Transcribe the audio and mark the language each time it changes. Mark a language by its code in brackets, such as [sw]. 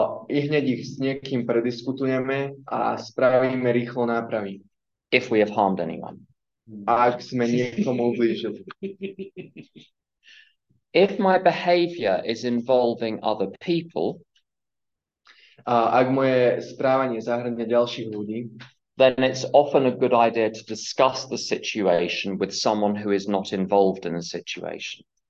[sk] I hneď ich s niekým prediskutujeme a spravíme rýchlo nápravy. [en] If we have harmed anyone. [sk] Ak sme niekomu ublížili. [en] If my behavior is involving other people, [sk] ak moje správanie zahŕňa ďalších ľudí, [en] then it's often a good idea to discuss the situation with someone who is not involved in the situation.